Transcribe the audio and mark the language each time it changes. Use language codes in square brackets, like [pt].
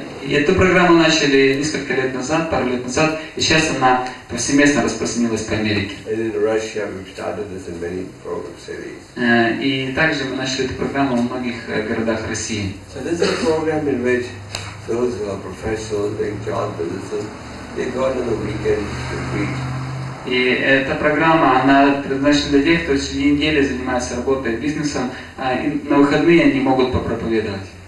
[ru] Эту программу начали несколько лет назад, пару лет назад, и сейчас она повсеместно распространилась по Америке. [en] And in Russia we started this in many program cities. [ru] И также мы начали эту программу в многих городах России. [en] So this is a program in which those who are professionals, they join businesses, they go on the weekends to preach. [ru] И эта программа, она предназначена для тех, кто в середине недели занимается работой, бизнесом, а на выходные они могут попроповедовать.